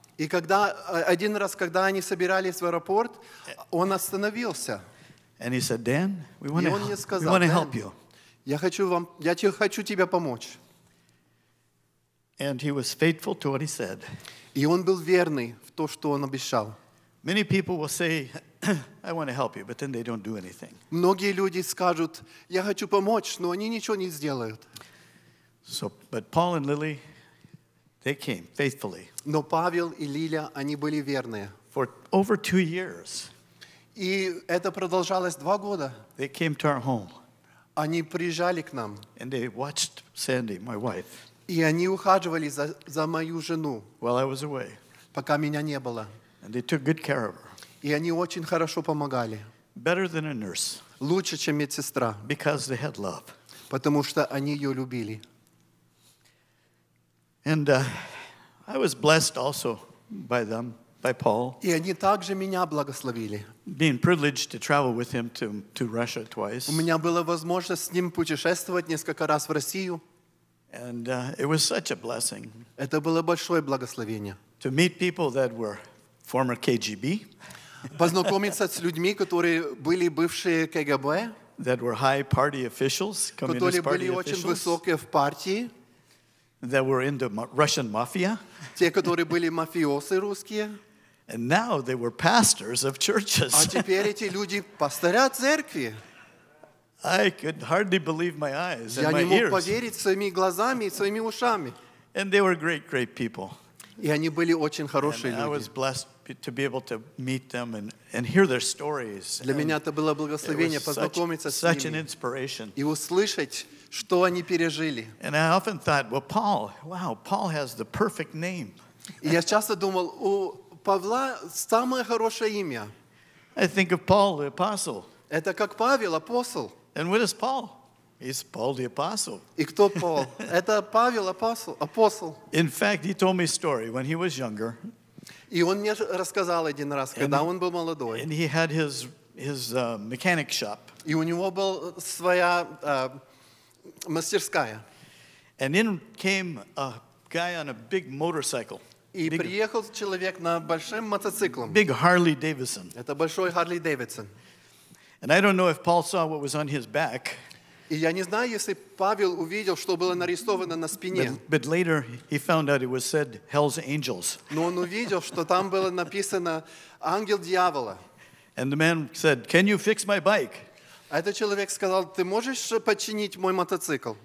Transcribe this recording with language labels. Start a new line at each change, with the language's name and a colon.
Russian: И когда один раз, когда они собирались в аэропорт, он остановился.
English: And he said, Dan, we want to help you.
Russian: Я хочу тебе помочь.
English: And he was faithful to what he said.
Russian: И он был верный в то, что он обещал.
English: Many people will say, I want to help you, but then they don't do anything.
Russian: Многие люди скажут, я хочу помочь, но они ничего не сделают.
English: So, but Paul and Lily, they came faithfully.
Russian: Но Павел и Лиля, они были верные.
English: For over 2 years.
Russian: И это продолжалось 2 года.
English: They came to our home.
Russian: Они приезжали к нам.
English: And they watched Sandy, my wife.
Russian: И они ухаживали за мою жену.
English: While I was away.
Russian: Пока меня не было.
English: And they took good care of her.
Russian: И они очень хорошо помогали.
English: Better than a nurse.
Russian: Лучше, чем медсестра.
English: Because they had love.
Russian: Потому что они ее любили.
English: And I was blessed also by them, by Paul.
Russian: И они также меня благословили.
English: Being privileged to travel with him to Russia twice.
Russian: У меня была возможность с ним путешествовать несколько раз в Россию.
English: And it was such a blessing.
Russian: Это было большое благословение.
English: To meet people that were former KGB.
Russian: Познакомиться с людьми, которые были бывшие КГБ.
English: That were high party officials, communist party officials.
Russian: Которые были очень высокие в партии.
English: That were in the Russian mafia.
Russian: Те, которые были мафиосы русские.
English: And now they were pastors of churches.
Russian: А теперь эти люди пастыря церкви.
English: I could hardly believe my eyes and
Russian: Я
English: my ears.
Russian: Я не мог поверить своими глазами и своими ушами.
English: And they were great, great people.
Russian: И они были очень хорошие люди.
English: And I was blessed to be able to meet them and hear their stories.
Russian: Для меня это было благословение познакомиться с ними.
English: Such an inspiration.
Russian: И услышать, что они пережили.
English: And I often thought, well, Paul, wow, Paul has the perfect name.
Russian: Я часто думал, у Павла самое хорошее имя.
English: I think of Paul the apostle.
Russian: Это как Павел, апостол.
English: And what is Paul? He's Paul the apostle.
Russian: И кто Павел? Это Павел апостол.
English: In fact, he told me a story when he was younger.
Russian: И он мне рассказал один раз, когда он был молодой.
English: And he had his mechanic shop.
Russian: И у него была своя мастерская.
English: And in came a guy on a big motorcycle.
Russian: И приехал человек на большом мотоцикле.
English: Big Harley Davidson.
Russian: Это большой Harley Davidson.
English: And I don't know if Paul saw what was on his back.
Russian: И я не знаю, если Павел увидел, что было нарисовано на спине.
English: But later he found out it was said Hell's Angels.
Russian: Но он увидел, что там было написано Ангел дьявола.
English: And the man said, "Can you fix my bike?"
Russian: Этот человек сказал, "Ты можешь починить мой мотоцикл?"